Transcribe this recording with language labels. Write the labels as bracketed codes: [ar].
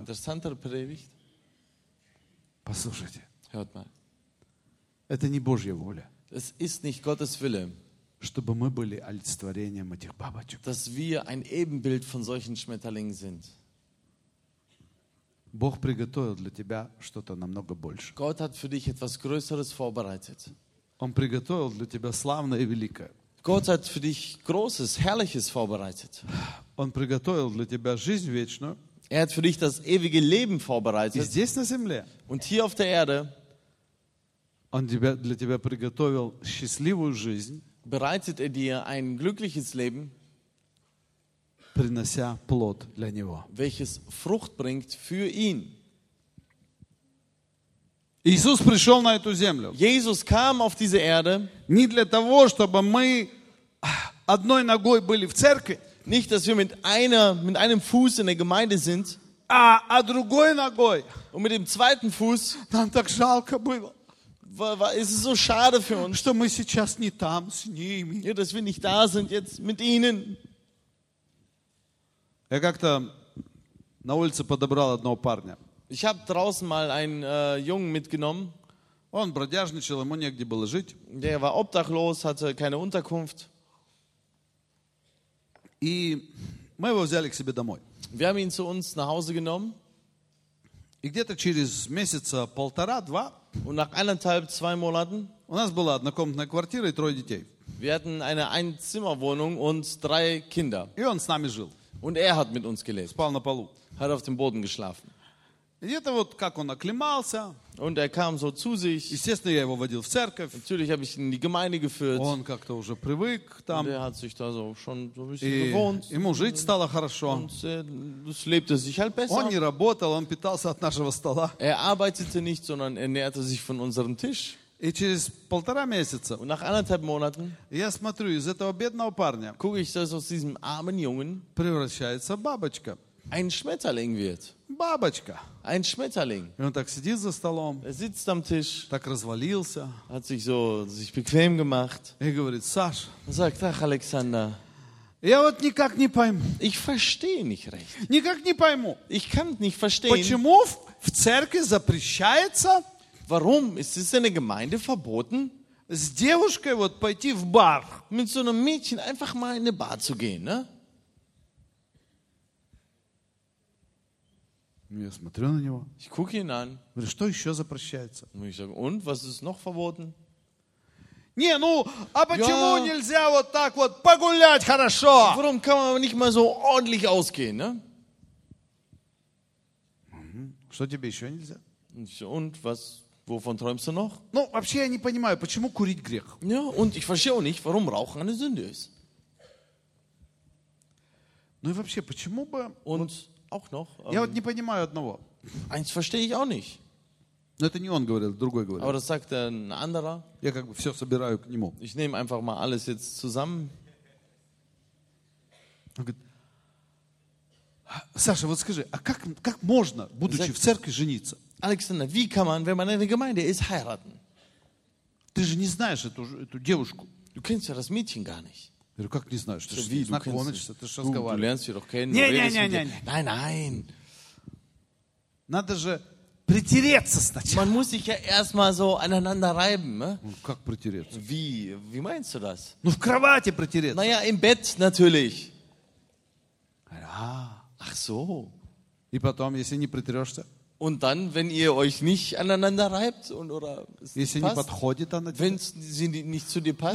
[de] Interessanter Predigt. [ru] Послушайте. [de] Hört mal. [ru] Это не Божья воля. [de] Es ist nicht Gottes Wille. [ru] Чтобы мы были олицетворением этих бабочек. [de] Dass wir ein Ebenbild von solchen Schmetterlingen sind. [ru] Бог приготовил для тебя что-то намного больше. [de] Gott hat für dich etwas Größeres vorbereitet. [ru] Он приготовил для тебя славное и великое. [de] Gott hat für dich Großes, Herrliches vorbereitet. [ru] Он приготовил для тебя жизнь вечную. [de] Er hat für dich das ewige Leben vorbereitet. [ru] И здесь на земле. [de] Und hier auf der Erde. [ru] Он тебя, для тебя приготовил счастливую жизнь. [de] Bereitet er dir ein glückliches Leben, [ru] принося плод для него, [de] welches Frucht bringt für ihn. [ru] Иисус пришел на эту землю. [de] Jesus kam auf diese Erde. [ru] Не для того, чтобы мы одной ногой были в церкви. [de] Nicht, dass wir mit einem Fuß in der Gemeinde sind. [ru] А другой ногой. [de] Und mit dem zweiten Fuß. [ru] Нам так жалко было. [de] Es ist so schade für uns, [ru] что мы сейчас не там с ними. [de] Ja, dass wir nicht da sind jetzt mit ihnen. [ru] Я как-то на улице подобрал одного парня. [de] Ich habe draußen mal einen Jungen mitgenommen. [ru] Он бродяжничал, ему негде было жить. [de] Der war obdachlos, hatte keine Unterkunft. [ru] И мы его взяли к себе домой. [de] Wir haben ihn zu uns nach Hause genommen. [ru] И где-то через месяца полтора-два. [de] Und nach eineinhalb, zwei Monaten. [ru] У нас была однокомнатная квартира и трое детей. [de] Wir hatten eine Einzimmerwohnung und drei Kinder. [ru] И он с нами жил. [de] Und er hat mit uns gelebt. [ru] Спал на полу. [de] Hat auf dem Boden geschlafen. [ru] И это вот как он акклимался. [de] Und er kam so zu sich. [ru] Естественно, я его водил в церковь. [de] Natürlich habe ich ihn in die Gemeinde geführt. [ru] Он как-то уже привык там. [de] Und er hat sich da so schon so ein bisschen gewohnt. [ru] Ему жить стало хорошо. [de] Und es lebte sich halt besser. [ru] Он не работал, он питался от нашего стола. [de] Er arbeitete nicht, sondern ernährte sich von unserem Tisch. [ru] И через полтора месяца. [de] Und nach anderthalb Monaten. [ru] Я смотрю, из этого бедного парня. [de] Gucke ich, dass aus diesem armen Jungen. [ru] Превращается в бабочка. [de] Ein Schmetterling wird. [ru] Бабочка. [de] Ein Schmetterling. [ru] И он так сидит за столом. [de] Er sitzt am Tisch. [ru] Так развалился. [de] Hat sich so sich bequem gemacht. [ru] И говорит: Саш. [de] Sagt: Ach, Alexander. [ru] Я вот никак не пойму. [de] Ich verstehe nicht recht. [ru] Никак не пойму. [de] Ich kann nicht verstehen. [ru] Почему в церкви запрещается? [de] Warum ist es in der Gemeinde verboten? [ru] С девушкой вот пойти в бар. [de] Mit so einem Mädchen einfach mal in eine Bar zu gehen, ne? [ru] Я смотрю на него. [de] Ich gucke ihn an. [ru] Говорю, что еще запрещается? [de] Und ich sage, und was ist noch verboten? [ru] Не, ну, а почему ja. Нельзя вот так вот погулять хорошо? [de] Warum kann man nicht mal so ordentlich ausgehen, ne? [ru] Что тебе еще нельзя? [de] Und was, wovon träumst du noch? [ru] Ну, вообще я не понимаю, почему курить грех? [de] Ja, und ich verstehe auch nicht, warum Rauchen eine Sünde ist. [ru] Ну и вообще, почему бы... [de] Und auch noch. [ru] Я вот не понимаю одного. [de] Eins verstehe ich auch nicht. [ru] Но это не он говорил, другой говорил. [de] Aber das sagt ein anderer. [ru] Я как бы все собираю к нему. [de] Ich nehme einfach mal alles jetzt zusammen. [ru] Он говорит, Саша, вот скажи, а как можно, будучи в церкви, жениться? [de] Alexander, wie kann man, wenn man in der Gemeinde ist, heiraten? [ru] Ты же не знаешь эту девушку. [de] Du kennst ja das Mädchen gar nicht. [ru] Я говорю, как не знаешь? Ты же знакомишься, ты же разговариваешь. Нет. Надо же притереться сначала. [de] Man muss sich ja erstmal so aneinander reiben. [ru] Как притереться? [de] Wie meinst du das? [ru] Ну, в кровати притереться. [de] Naja, im Bett natürlich. Ach so. [ru] И потом, если не притерешься, [de] und dann, wenn ihr euch nicht aneinander reibt und oder es passt, wenn sie nicht zu dir passt.